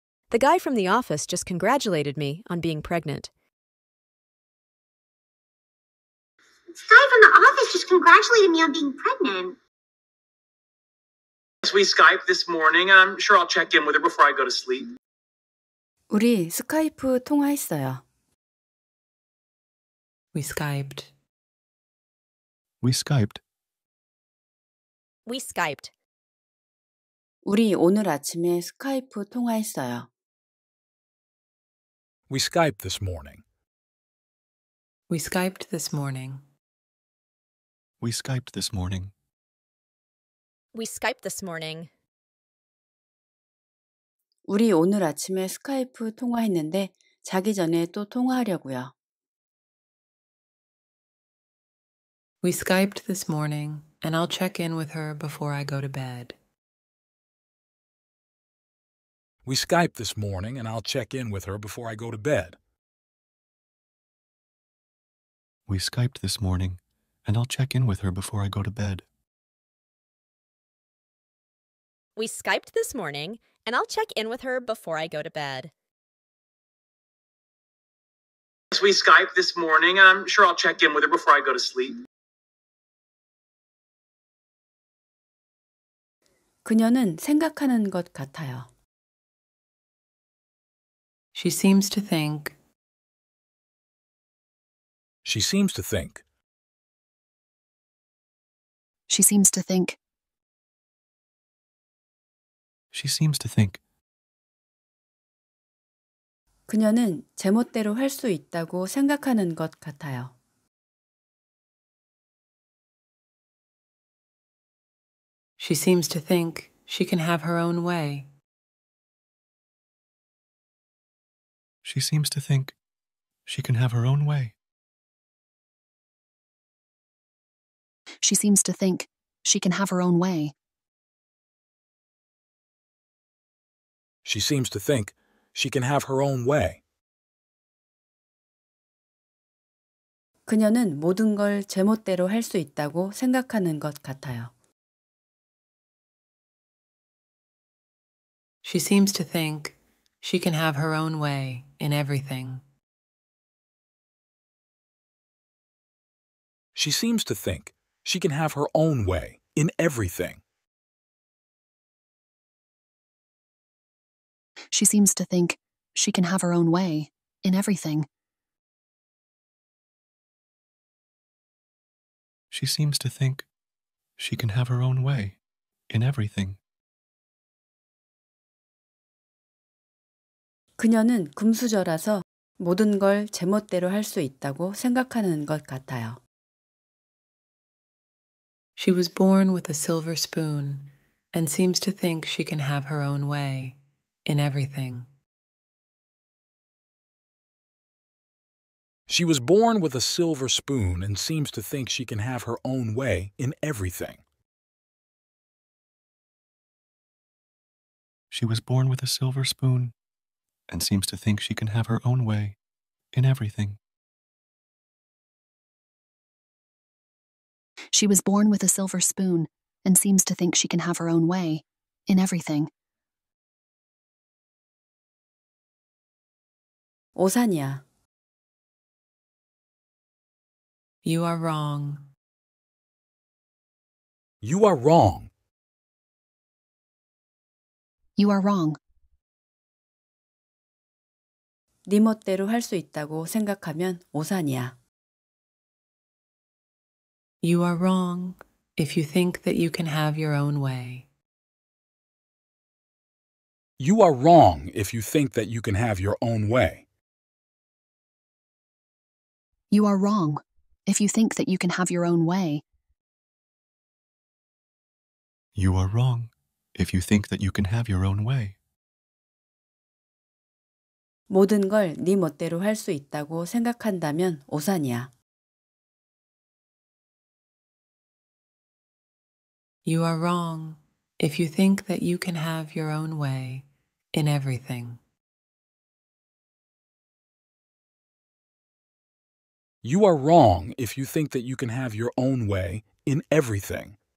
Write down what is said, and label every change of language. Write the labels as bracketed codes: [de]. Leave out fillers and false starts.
[en] The guy from the office just congratulated me on being pregnant. The guy from the office just congratulated me on being pregnant. As we Skype this morning, I'm sure I'll check in with her before I go to sleep. [ko] 우리 스카이프 통화했어요. [en] We Skyped. We Skyped. We Skyped. [ko] 우리 오늘 아침에 스카이프 통화했어요. [en] We Skyped this morning. We Skyped this morning. We Skyped this morning. We Skyped this morning. [ko] 우리 오늘 아침에 스카이프 통화했는데 자기 전에 또 통화하려고요. [en] We Skyped this morning, and I'll check in with her before I go to bed. We Skyped this morning, and I'll check in with her before I go to bed. We Skyped this morning, and I'll check in with her before I go to bed. We Skyped this morning, and I'll check in with her before I go to bed. As we Skype this morning, I'm sure I'll check in with her before I go to sleep. [ko] 그녀는 생각하는 것 같아요. [en] She seems to think. She seems to think. She seems to think. She seems to think. [ko] 그녀는 제멋대로 할 수 있다고 생각하는 것 같아요. [en] She seems to think she can have her own way. She seems to think she can have her own way. She seems to think she can have her own way. She seems to think she can have her own way. [ko] 그녀는 모든 걸 제멋대로 할 수 있다고 생각하는 것 같아요. [en] She seems to think she can have her own way in everything. She seems to think she can have her own way in everything. She seems to think she can have her own way in everything. She seems to think she can have her own way in everything. [ko] 그녀는 금수저라서 모든 걸 제멋대로 할 수 있다고 생각하는 것 같아요. [en] She was born with a silver spoon and seems to think she can have her own way in everything. She was born with a silver spoon and seems to think she can have her own way in everything. She was born with a silver spoon and seems to think she can have her own way in everything. She was born with a silver spoon and seems to think she can have her own way in everything. [ko] 오산이야. [en] You are wrong. You are wrong. You are wrong. [ko] 네 멋대로 할 수 있다고 생각하면 오산이야. [en] You are wrong if you think that you can have your own way. You are wrong if you think that you can have your own way. You are wrong if you think that you can have your own way. You are wrong if you think that you can have your own way. [ko] 모든 걸 네 멋대로 할 수 있다고 생각한다면 오산이야. [en] You are wrong if you think that you can have your own way in everything. You are wrong if you think that you can have your own way in everything.